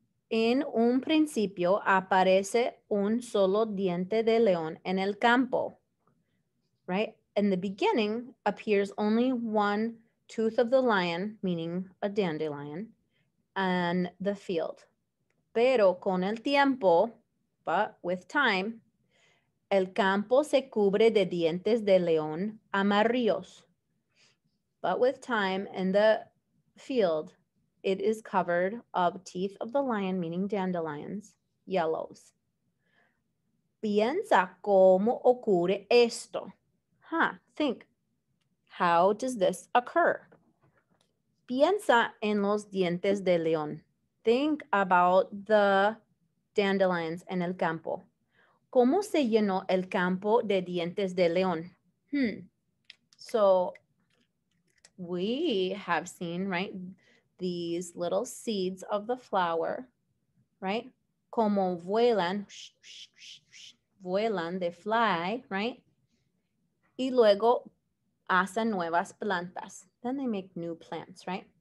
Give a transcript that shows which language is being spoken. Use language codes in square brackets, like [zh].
[es] En un principio aparece un solo diente de león en el campo. [en] Right? In the beginning appears only one tooth of the lion, meaning a dandelion, and the field. [es] Pero con el tiempo, [en] but with time, [es] el campo se cubre de dientes de león amarillos. [en] But with time in the field, it is covered of teeth of the lion, meaning dandelions, yellows. [es] Piensa cómo ocurre esto. [en] Huh, think. How does this occur? [es] Piensa en los dientes de león. [en] Think about the dandelions [es] en el campo. ¿Cómo se llenó el campo de dientes de león? [en] So we have seen, right, these little seeds of the flower, right? [es] Como vuelan, sh, sh, sh, sh, vuelan, [en] they fly, [es] right? y luego hacen nuevas plantas. [en] Then they make new plants, right?